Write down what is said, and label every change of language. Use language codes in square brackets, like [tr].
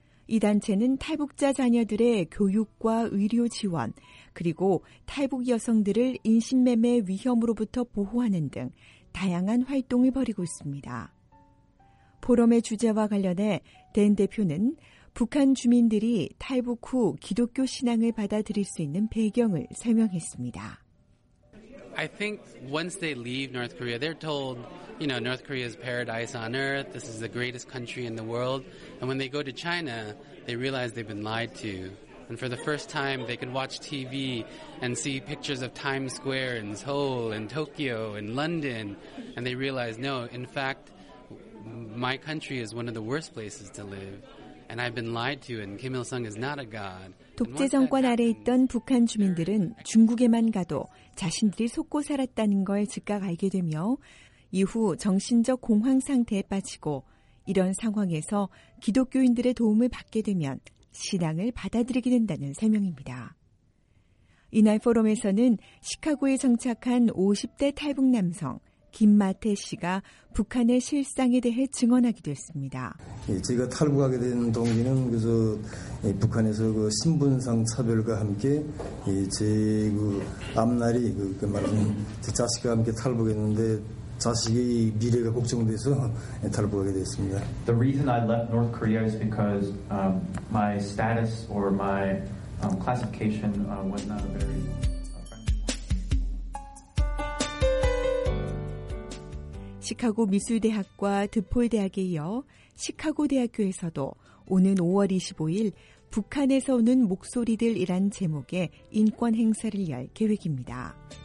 [ko] 이 단체는 탈북자 자녀들의 교육과 의료 지원, 그리고 탈북 여성들을 인신매매 위험으로부터 보호하는 등 다양한 활동을 벌이고 있습니다. 포럼의 주제와 관련해 댄 대표는 북한 주민들이 탈북 후 기독교 신앙을 받아들일 수 있는 배경을 설명했습니다. [en] I think once they leave North Korea, they're told, you know, North Korea is paradise on earth. This is the greatest country in the world. And when they go to China, they realize they've been lied to. And for the first time, they can watch TV and see pictures of Times Square and Seoul and Tokyo and London, and they realize, no, in fact, my country is one of the worst places to live. And I've been lied to, and Kim Il-sung is not a god. [ko] 독재 정권 아래 있던 북한 주민들은 중국에만 가도 자신들이 속고 살았다는 걸 즉각 알게 되며 이후 정신적 공황 상태에 빠지고 이런 상황에서 기독교인들의 도움을 받게 되면 신앙을 받아들이게 된다는 설명입니다. 이날 포럼에서는 시카고에 정착한 50대 탈북 남성 김마태 씨가 북한의 실상에 대해 증언하기도 했습니다. 제가 탈북하게 된 동기는 그래서 북한에서 그 신분상 차별과 함께 제 그 앞날이 그 말하자면 제 자식과 함께 탈북했는데 자식의 미래가 걱정돼서 탈북하게 됐습니다. [en] The reason I left North Korea is because my status or my classification was not a very [ko] 시카고 미술대학과 드폴 대학에 이어 시카고 대학교에서도 오는 5월 25일 북한에서 오는 목소리들이란 제목의 인권 행사를 열 계획입니다.